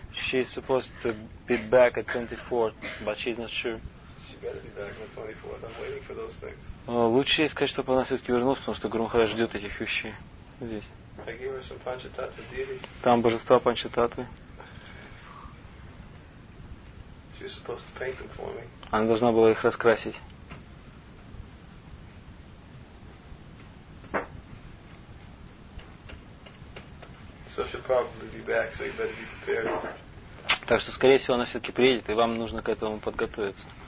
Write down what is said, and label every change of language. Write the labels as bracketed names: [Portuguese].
[English] She's supposed to be back at 24th, but she's not sure. She better be back on 24th. I'm waiting for those things. [Russian] Лучше ей сказать, чтобы она все-таки вернулась, потому что Гурмахарадж ждет этих вещей здесь. [English] I gave her some Панчататва deities. [Russian] Там божества Панчататвы. [English] She's supposed to paint them for me. [Russian] Она должна была их раскрасить. [English] So she'll probably be back, so you better be prepared. [Russian] Так что, скорее всего, она все-таки приедет, и вам нужно к этому подготовиться.